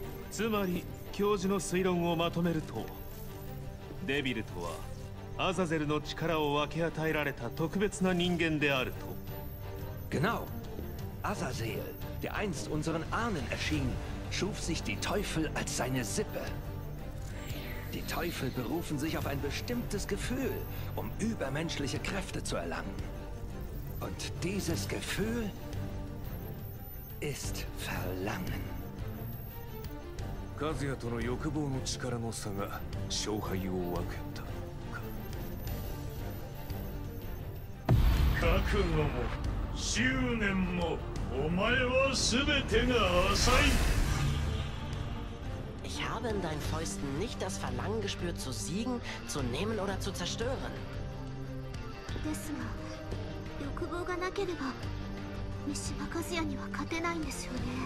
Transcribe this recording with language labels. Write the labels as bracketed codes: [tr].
[ja] Zumari, 教授の推論をまとめると、デビルとはアザゼルの力を分け与えられた特別な人間であると。 [de] Genau. Azazel, der einst unseren Ahnen erschien, schuf sich die Teufel als seine Sippe. Die Teufel berufen sich auf ein bestimmtes Gefühl, um übermenschliche Kräfte zu erlangen. Und dieses Gefühl ist Verlangen. [ja] Kazuya との欲望の力の差が勝敗を分けたか。覚悟も執念もお前は全てが浅い。 [de] Ich habe in deinen Fäusten nicht das Verlangen gespürt, zu siegen, zu nehmen oder zu zerstören. [ja] Desuga, 欲望がなければ、Mishima Kazuya には勝てないんですよね。